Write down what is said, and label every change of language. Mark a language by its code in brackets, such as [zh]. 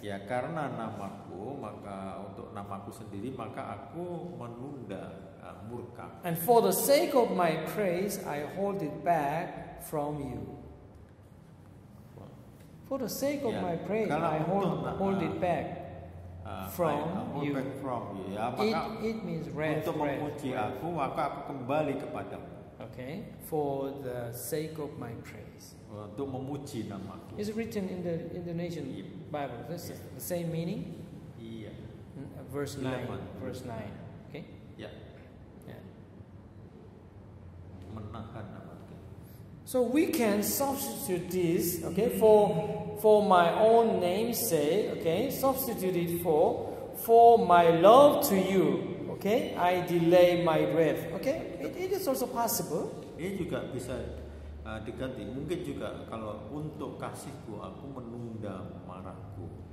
[id] Ya, karena namaku, maka untuk namaku sendiri, maka aku menunda murka. [en] And for the sake of my praise, I hold it back from you. For the sake of my praise, I hold it back. From you. [id] Ya, [en] it means rest. [id] Untuk memuji aku, maka aku kembali kepadamu. [en] Okay, for the sake of my praise. [id] Untuk memuji namaku. [en] It's written in the Indonesian Bible. This is the same meaning. Verse 9. Okay. [id] Menahan namaku. [en] So we can substitute this. Okay, for my own name's sake, okay, substitute it for my love to you, okay, I delay my breath, okay, it is also possible. [id] Ini juga bisa diganti, mungkin juga kalau untuk kasihku, aku menunda amarahku.